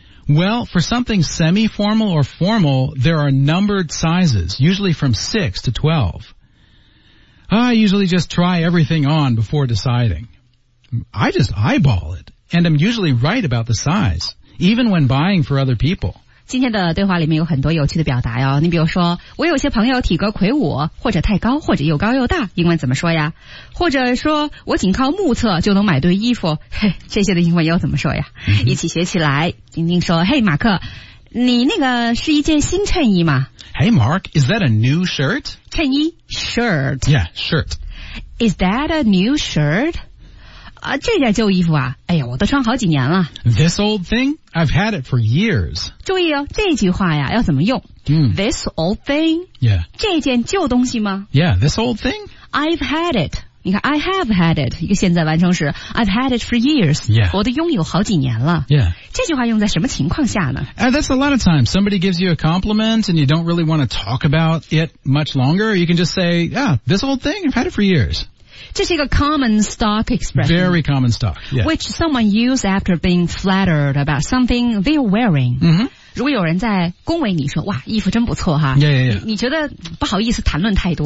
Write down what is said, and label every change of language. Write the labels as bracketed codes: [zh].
[en] Well, for something semi-formal or formal, there are numbered sizes, usually from 6 to 12. I usually just try everything on before deciding. I just eyeball it, and I'm usually right about the size, even when buying for other people. [zh] 今天的对话里面有很多有趣的表达哦，你比如说，我有些朋友体格魁梧，或者太高，或者又高又大，英文怎么说呀？或者说我仅靠目测就能买对衣服，嘿，这些的英文又怎么说呀？一起学起来。丁丁说，嘿，马克，你那个是一件新衬衣吗？ [en] Hey Mark, is that a new shirt? [zh] 衬衣 shirt. [en] Yeah, shirt. Is that a new shirt? [zh] 啊，这件旧衣服啊，哎呀，我都穿好几年了。 [en] This old thing? I've had it for years. [zh] 注意哦，这句话呀，要怎么用？ [en] This old thing? Yeah. [zh] 这件旧东西吗？ [en] Yeah, this old thing? I've had it. [zh] 你看 [en] ,I have had it, [zh] 一个现在完成时 [en] ,I've had it for years. Yeah. [zh] 我都拥有好几年了。 [en] Yeah. [zh] 这句话用在什么情况下呢？ [en] That's a lot of times. Somebody gives you a compliment and you don't really want to talk about it much longer. You can just say, yeah, this old thing, I've had it for years. [zh] 这是一个 [en] common stock expression. Very common stock, yes. Which someone use after being flattered about something they're wearing. Mm-hmm. [zh] 如果有人在恭维你说，哇，衣服真不错哈。 [en] Yeah, yeah, yeah. [zh] 你觉得不好意思谈论太多。